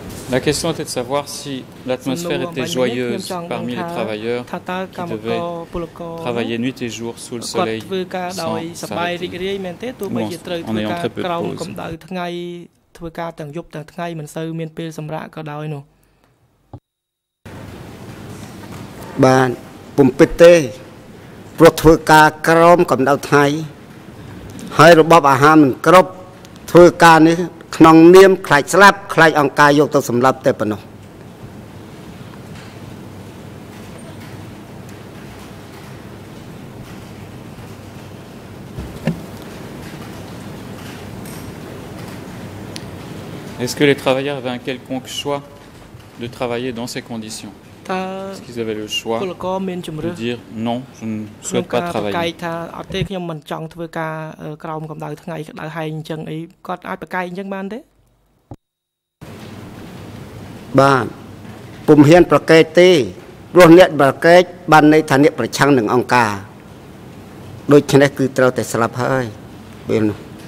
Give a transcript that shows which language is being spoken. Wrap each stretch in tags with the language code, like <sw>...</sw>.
<fr>La question était de savoir si l'atmosphère était joyeuse parmi les travailleurs qui devaient travailler nuit et jour sous le soleil sans s'arrêter ou en ayant très peu de pause.</fr> <km>ក្នុងនាមខ្លាចស្លាប់ខ្លាចអង្ការយកទៅសម្លាប់តែប៉ុណ្ណោះ</km> <fr>Est-ce que les travailleurs avaient un quelconque choix de travailler dans ces conditions? Est-ce qu'ils avaient le choix de dire non, je ne souhaite pas travailler?</fr> <km>ថាអត់ទេខ្ញុំមិនចង់ធ្វើការក្រោមកម្ដៅថ្ងៃក្តៅហែងអញ្ចឹងអីគាត់អាចប្រកែកអញ្ចឹងបានទេ បាទពុំហ៊ានប្រកែកទេព្រោះអ្នកប្រកែកបានន័យថាអ្នកប្រឆាំងនឹងអង្គការដូច្នេះគឺត្រូវតែស្លាប់ហើយពេលនោះ</km>